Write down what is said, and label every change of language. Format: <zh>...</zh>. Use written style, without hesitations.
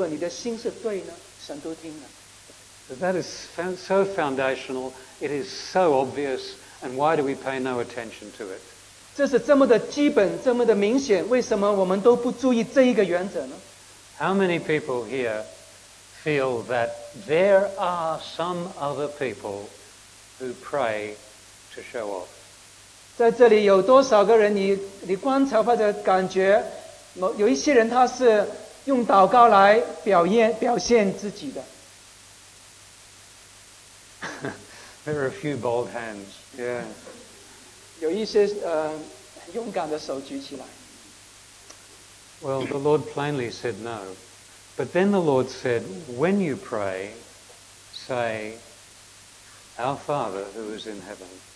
<zh>甚至你祷告的乱七八糟，但是如果你的心是对呢，神都听了。</zh> <en>That is so foundational. It is so obvious. And why do we pay no attention to it?</en> <zh>这是这么的基本，这么的明显，为什么我们都不注意这一个原则呢？</zh> <en>How many people here feel that there are some other people who pray to show off?</en> <zh>在这里有多少个人你观察或者感觉，有一些人他是用祷告来表现自己的。</zh> <en>There are a few bold hands, yeah.</en> <zh>有一些勇敢的手举起来。</zh> <en>Well, the Lord plainly said no. But then the Lord said, when you pray, say, Our Father who is in heaven.</en>